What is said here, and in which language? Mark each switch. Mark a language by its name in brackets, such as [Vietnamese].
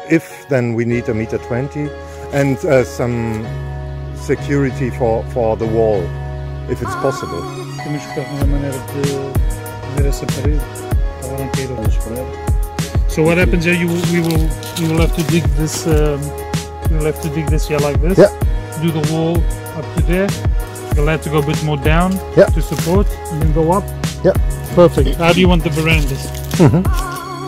[English] If, then we need a meter 20 and some security for the wall, if it's possible. [Portuguese] Temos que arranjar uma maneira de fazer essa parede. Agora não queira mais parede. [English] So what happens here, we will have to dig this here like this. Yeah. Do the wall up to there. You'll have to go a bit more down to support and then go up. Yeah. Perfect. How do you want the verandas? Mm-hmm.